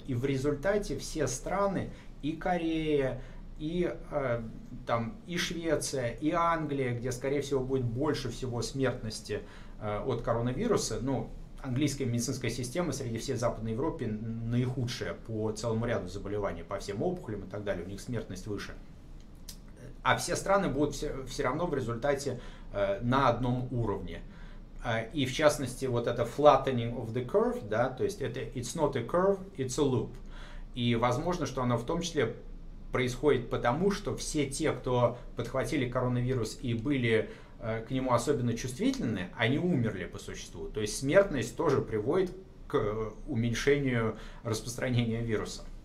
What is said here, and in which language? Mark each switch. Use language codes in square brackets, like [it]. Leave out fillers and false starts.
[ru] И в результате все страны, и Корея, и Швеция, и Англия, где, скорее всего, будет больше всего смертности от коронавируса, ну, английская медицинская система среди всей Западной Европы наихудшая по целому ряду заболеваний, по всем опухолям и так далее, у них смертность выше. А все страны будут все равно в результате на одном уровне. И в частности, вот это [en] flattening of the curve, [ru] да, то есть это [en] it's not a curve, it's a loop. [ru] И возможно, что оно в том числе происходит потому, что все те, кто подхватили коронавирус и были к нему особенно чувствительны, они умерли по существу. То есть смертность тоже приводит к уменьшению распространения вируса.